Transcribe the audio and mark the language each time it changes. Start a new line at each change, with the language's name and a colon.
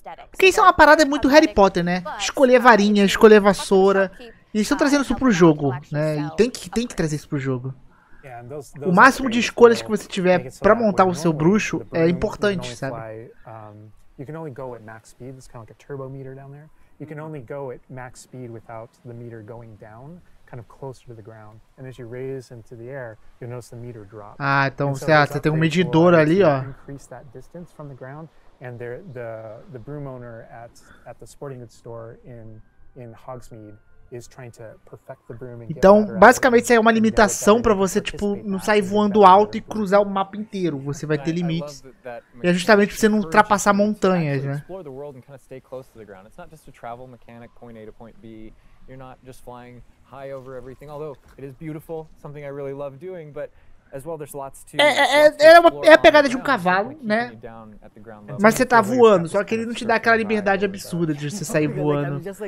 Portuguese: Porque isso é uma parada muito Harry Potter, né? Escolher varinha, escolher vassoura. E eles estão trazendo isso pro jogo, né? E tem que trazer isso pro jogo. O máximo de escolhas que você tiver pra montar o seu bruxo é importante, sabe?
English: You can only go at max speed, it's kind of like a turbo meter down there. You can only go at max speed without the meter going down, kind of closer to the ground. And as you raise into the air, you'll notice the meter drop.
Portuguese: Ah, então so você tem um medidor ali, ó.
English: Increase that distance from the ground, and the broom owner at the sporting goods store in Hogsmeade is trying to perfect the broom.
Portuguese: Então, basicamente, isso é uma limitação para você, tipo, não sair voando alto e cruzar o mapa inteiro. Você vai ter limites. E é justamente pra você não ultrapassar montanhas, né?
English: Explore the world and kind of stay close to the ground. It's not just a travel mechanic, point A to point B. You're not just flying high over everything. Although it is beautiful, something I really love doing, but as well, there's lots to.
Portuguese: É a pegada de um cavalo, né? Mas você tá voando, só que ele não te dá aquela liberdade absurda de você sair voando.